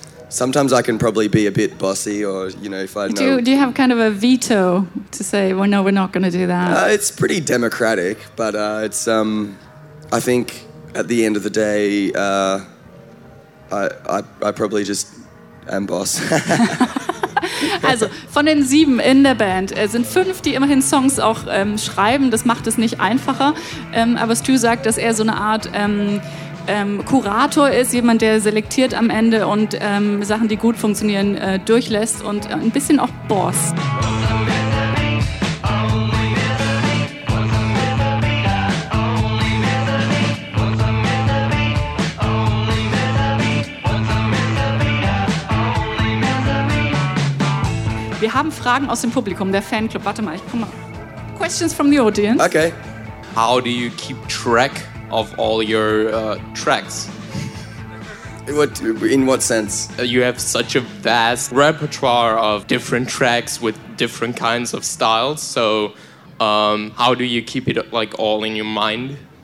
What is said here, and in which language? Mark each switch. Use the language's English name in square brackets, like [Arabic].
[English] sometimes I can probably be a bit bossy or, you know, if I know... Do you have kind of a veto to say, well, no, we're not going to do that? It's pretty democratic, but it's... I think at the end of the day, I probably just am boss. [German] Also, von den 7 in der Band sind 5, die immerhin Songs auch schreiben. Das macht es nicht einfacher. Aber Stu sagt, dass er so eine Art... Kurator ist, jemand, der selektiert am Ende und Sachen, die gut funktionieren, durchlässt und ein bisschen auch Boss. Wir haben Fragen aus dem Publikum, der Fanclub. Warte mal, ich komme mal. [English] Questions from the audience. Okay. How do you keep track of all your tracks? In what sense? You have such a vast repertoire of different tracks with different kinds of styles, so how do you keep it like all in your mind?